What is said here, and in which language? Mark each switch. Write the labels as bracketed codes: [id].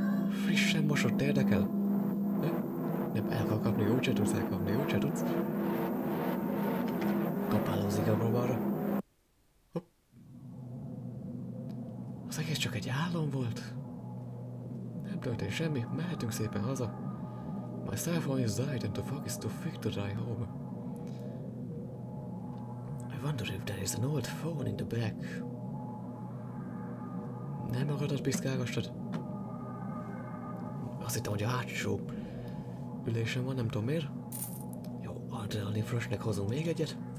[hu] Frissen mosott, érdekel? Nem, el kell kapni, úgyse tudsz, elkapni, úgyse tudsz. Kapálózik a próbára. Hopp. Az egész csak egy álom volt. Nem történt semmi, mehetünk szépen haza. [en] My cell phone is died and the fog is too thick to drive home. I wonder if there is an old phone in the back. [hu] Nem magadat piszkálgastad? Azt hittem, hogy a hátsó ülésem van, nem tudom miért. Jó, adrenalin fröcsnek hozunk még egyet.